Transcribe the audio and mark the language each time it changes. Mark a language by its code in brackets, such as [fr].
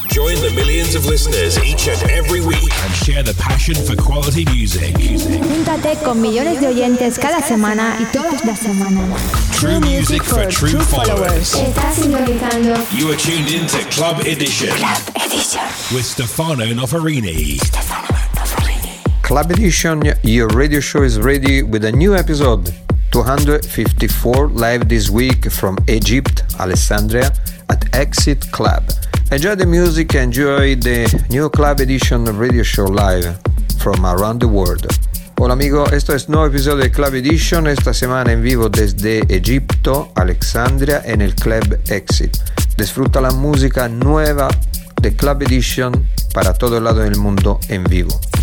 [en] Join the millions of listeners each and every week and share the passion for quality music. [es] Júntate con millones de oyentes cada semana y todas las semanas. [en] True music for true followers. [es] Estás sintonizando. [en] You are tuned in to Club Edition. Club Edition. With Stefano Noferini. Club Edition, your radio show is ready with a new episode. 254 live this week from Egypt, Alessandria, at Exit Club. Enjoy the music, enjoy the new Club Edition radio show live from around the world. [es] Hola amigos, esto es nuevo episodio de Club Edition, esta semana en vivo desde Egipto, Alexandria, en el Club Exit. Disfruta la música nueva de Club Edition para todo el lado del mundo en vivo.